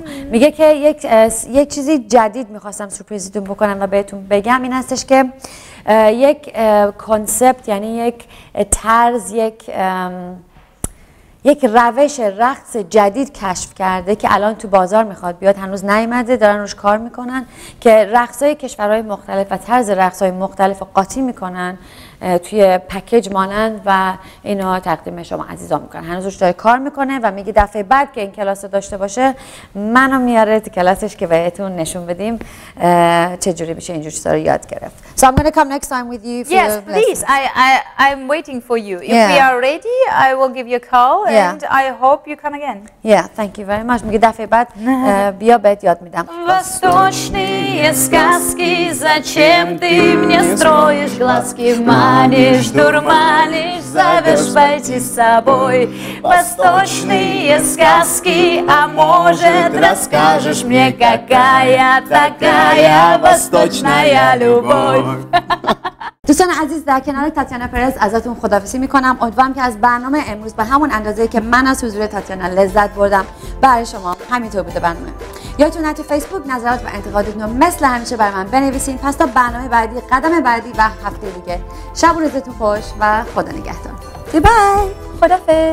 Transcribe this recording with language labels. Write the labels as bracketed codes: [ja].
[fa] میگه که یک چیزی جدید میخواستم سورپرایزتون بکنم و بهتون بگم این هستش که یک کانسپت یعنی یک طرز یک روش رقص جدید کشف کرده که الان تو بازار میخواد بیاد هنوز نیومده دارن روش کار میکنن که رقصهای کشورهای مختلف و طرز رقصهای مختلف رو قاطی میکنن توی پکیج مانن و اینا تقدیم شما عزیزان میکنن. هنوزش داره کار میکنه و میگه دفعه بعد که این کلاس داشته باشه منو میاره تو کلاسش که بهتون نشون بدیم چجوری میشه اینجور چیزا رو یاد گرفت. [en] So I'm going to come next time with you. Yes, please. I'm waiting for you. If we are ready, I will give you a call and I hope you come again. Yeah, thank you very much. [fa] میگه دفعه بعد بیا بهت یاد میدم. [ru] Восточные сказки, зачем ты мне строишь глазки? Манишь, дурманишь, зовешь пойти с собой. Восточные сказки, а может, расскажешь мне, какая такая восточная любовь? [fa] دوستان عزیز، در کنار تاتیانا پرز ازتون خدافظی میکنم. امیدوارم که از برنامه امروز به همون اندازه‌ای که من از حضور تاتیانا لذت بردم برای شما همینطور بوده برنامه. یادتون نره تو فیسبوک نظرات و انتقاداتتون رو مثل همیشه برای من بنویسین. پس تا برنامه بعدی، قدم بعدی و هفته دیگه، شب و روزتون خوش و خدا نگهدار. بی بای،